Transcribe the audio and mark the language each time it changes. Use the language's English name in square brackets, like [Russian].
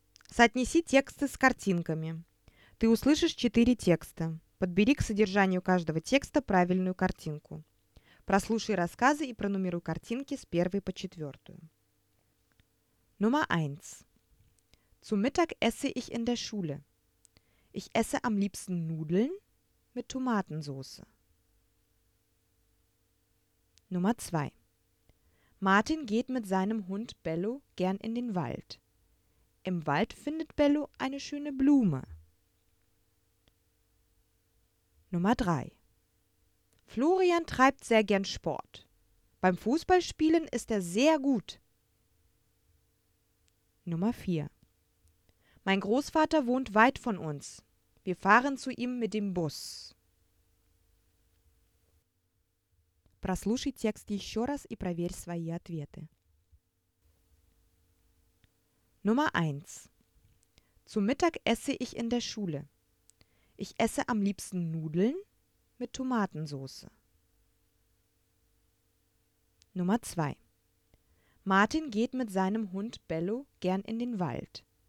[Russian] Соотнеси тексты с картинками. Ты услышишь 4 текста. Подбери к содержанию каждого текста правильную картинку. Прослушай рассказы и пронумеруй картинки с 1 по 4. [German] Nummer 1. Zum Mittag esse ich in der Schule. Ich esse am liebsten Nudeln mit Tomatensauce. Nummer 2. Martin geht mit seinem Hund Bello gern in den Wald. Im Wald findet Bello eine schöne Blume. Nummer 3. Florian treibt sehr gern Sport. Beim Fußballspielen ist er sehr gut. Nummer 4. Mein Großvater wohnt weit von uns. Wir fahren zu ihm mit dem Bus. [Russian] Прослушай текст еще раз и проверь свои ответы. [German] Nummer 1. Zum Mittag esse ich in der Schule. Ich esse am liebsten Nudeln mit Tomatensauce. Nummer 2. Martin geht mit seinem Hund Bello gern in den Wald.